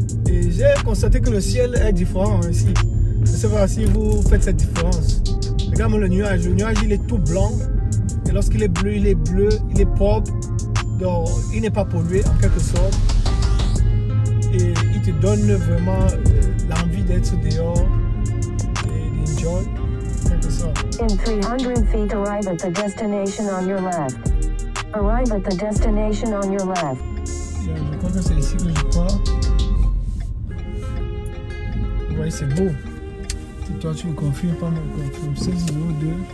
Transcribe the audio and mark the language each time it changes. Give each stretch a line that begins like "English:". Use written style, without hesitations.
French: Et j'ai constaté que le ciel est différent ici. Je sais pas si vous faites cette différence. Regarde-moi le nuage. Le nuage, il est tout blanc. Et lorsqu'il est bleu, il est bleu, il est propre. Donc, il n'est pas pollué en quelque sorte. Et il te donne vraiment l'envie d'être dehors et d'enjoy.
English: In 300 feet, arrive at the destination on your left. Arrive at the destination on your left.
French: Yeah, je crois que c'est ici que je pars. Ouais, c'est beau. Et toi, tu me confirmes pas, mais quand tu me 602.